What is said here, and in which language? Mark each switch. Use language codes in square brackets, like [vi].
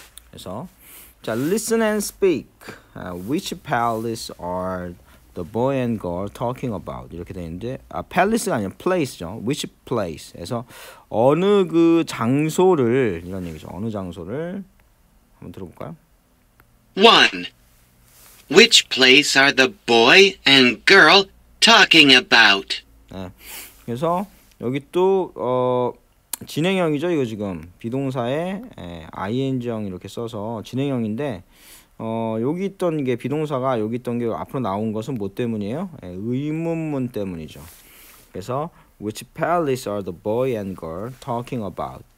[ko] 그래서 자, [en] listen and speak. Which palace are The boy and girl talking about [ko] 이렇게 돼 있는데 아 [en] palace가 아니라 place죠. Which place? [ko] 그래서 어느 그 장소를 이런 얘기죠. 어느 장소를 한번 들어볼까요? [en] One. Which place are the boy and girl talking about? [ko] 네. 그래서 여기 또 진행형이죠. 이거 지금 비동사에 ing형 이렇게 써서 진행형인데. 여기 있던 게 비동사가 여기 있던 게 앞으로 나온 것은 뭐 때문이에요? 예, 의문문 때문이죠. 그래서 [en] which palace are the boy and girl talking about?